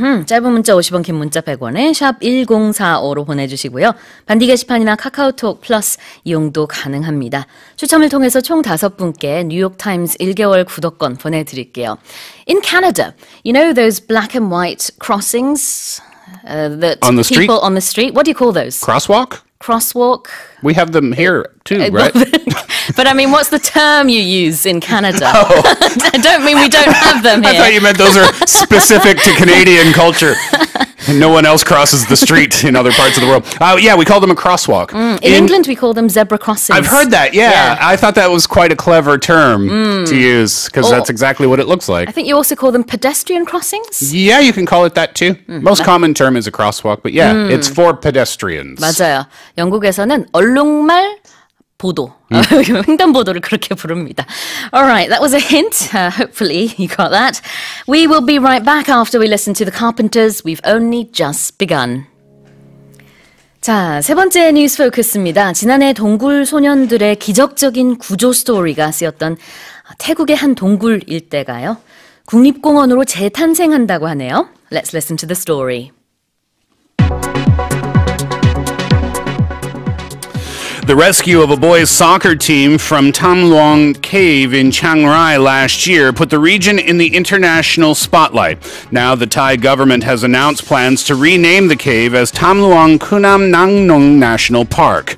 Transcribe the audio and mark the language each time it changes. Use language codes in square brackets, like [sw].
[ko] 짧은 문자 50원, 긴 문자 100원에 샵 1045로 보내주시고요. 반디 게시판이나 카카오톡 플러스 이용도 가능합니다. 추첨을 통해서 총 다섯 분께 뉴욕타임스 1개월 구독권 보내드릴게요. [en] In Canada, you know those black and white crossings? That on the street? On the street. What do you call those? Crosswalk? Crosswalk. We have them here too, right? But I mean, what's the term you use in Canada? Oh. I don't mean we don't have them here. I thought you meant those are specific to Canadian culture. No one else crosses the street in other parts of the world. Yeah, we call them a crosswalk. In England, we call them zebra crossings. I've heard that, yeah. I thought that was quite a clever term to use, because that's exactly what it looks like. I think you also call them pedestrian crossings. Yeah, you can call it that too. Most common term is a crosswalk, but yeah, it's for pedestrians. [ko] 맞아요. 영국에서는 얼룩말 보도. 횡단보도를 그렇게 부릅니다. [en] All right, that was a hint. Hopefully you got that. We will be right back after we listen to The Carpenters. We've only just begun. [ko] 자, 세 번째 뉴스 포커스입니다. 지난해 동굴 소년들의 기적적인 구조 스토리가 쓰였던 태국의 한 동굴 일대가요. 국립공원으로 재탄생한다고 하네요. [en] Let's listen to the story. The rescue of a boys' soccer team from Tam Luang Cave in Chiang Rai last year put the region in the international spotlight. Now the Thai government has announced plans to rename the cave as Tam Luang Kunam Nang Nung National Park.